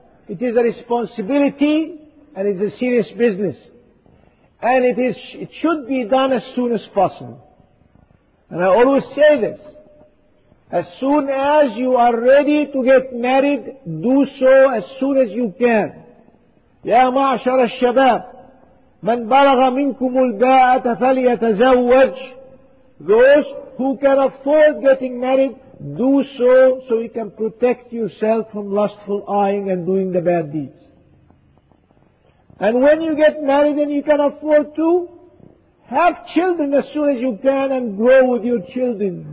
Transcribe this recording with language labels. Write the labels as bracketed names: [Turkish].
[English] It is a responsibility and it is a serious business. And it should be done as soon as possible. And I always say this, as soon as you are ready to get married, do so as soon as you can. [Arabic] يا معشر الشباب من بلغ منكم الباءة فليتزوج. [English] Those who can afford getting married, do so, so you can protect yourself from lustful eyeing and doing the bad deeds. And when you get married and you can afford to, have children as soon as you can and grow with your children.